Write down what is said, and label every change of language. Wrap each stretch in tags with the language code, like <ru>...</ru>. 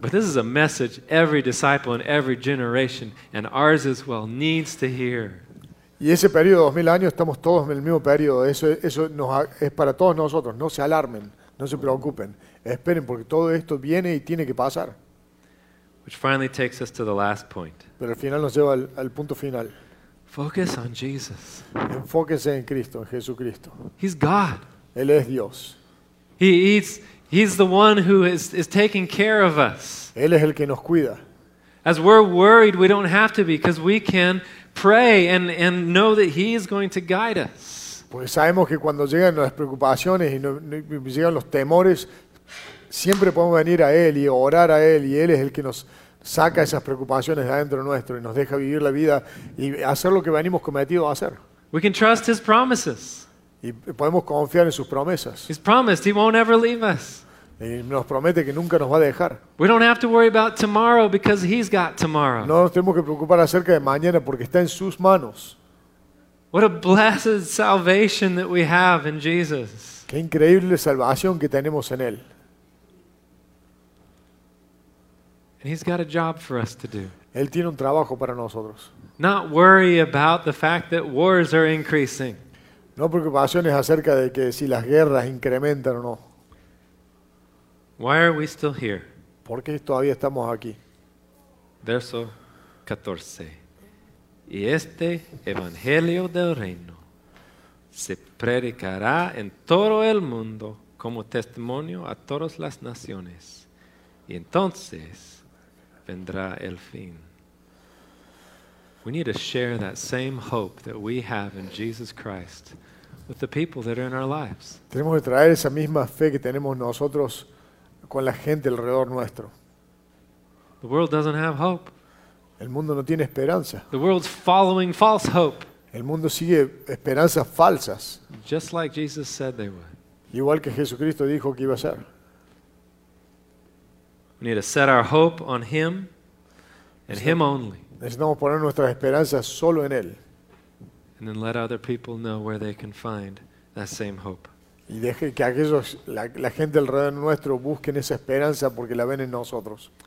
<en>But this is a message every disciple in every generation and ours as well needs to hear.</en> <es>Y ese periodo de 2000 años estamos todos en el mismo periodo. Eso es para todos nosotros. No se alarmen, no se preocupen. Esperen porque todo esto viene y tiene que pasar.</es> <en>Which finally takes us to the last point.</en> <es>Pero al final nos lleva al punto final.</es> <en>Focus on Jesus.</en> <es>Enfóquese en Cristo, en Jesucristo.</es> <en>He's God.</en> <es>Él es Dios.</es> <en>He's the one who is taking care of us.</en> <es>Él es el que nos cuida.</es> <en>As we're worried, we don't have to be because we can pray and know that he is going to guide us.</en> <es>Porque sabemos que cuando llegan las preocupaciones y llegan los temores, siempre podemos venir a Él y orar a Él, y Él es el que nos saca esas preocupaciones de adentro nuestro y nos deja vivir la vida y hacer lo que venimos cometidos a hacer.</es> <en>We can trust His promises.</en> <es>Y podemos confiar en sus promesas.</es> <en>He's promised He won't ever leave us.</en> <es>Y nos promete que nunca nos va a dejar.</es> <en>We don't have to worry about tomorrow because He's got tomorrow.</en> <es>No nos tenemos que preocupar acerca de mañana porque está en sus manos.</es> <en>What a blessed salvation that we have in Jesus.</en> <es>Qué increíble salvación que tenemos en Él.</es> <en>And He's got a job for us to do.</en> <es>Él tiene un trabajo para nosotros.</es> <en>Not worry about the fact that wars are increasing.</en> <es>No preocupaciones acerca de que si las guerras incrementan o no.</es> <en>Why are we still here?</en> <es>¿Por qué todavía estamos aquí? Verso 14. Y este Evangelio del Reino se predicará en todo el mundo como testimonio a todas las naciones. Y entonces vendrá el fin.</es> <en>We need to share that same hope that we have in Jesus Christ with the people that are in our lives.</en> <es>Tenemos que traer esa misma fe que tenemos nosotros con la gente alrededor nuestro.</es> <en>The world doesn't have hope.</en> <es>El mundo no tiene esperanza.</es> <en>The world's following false hope.</en> <es>El mundo sigue esperanzas falsas.</es> <en>Just like Jesus said they would.</en> <es>Igual que Jesucristo dijo que iba a ser.</es> <en>We need to set our hope on Him and Him only.</en> <es>Necesitamos poner nuestras esperanzas solo en Él.</es> <en>And then let other people know where they can find that same hope.</en> <es>Y deje que aquellos, la gente alrededor nuestro busquen esa esperanza porque la ven en nosotros.</es>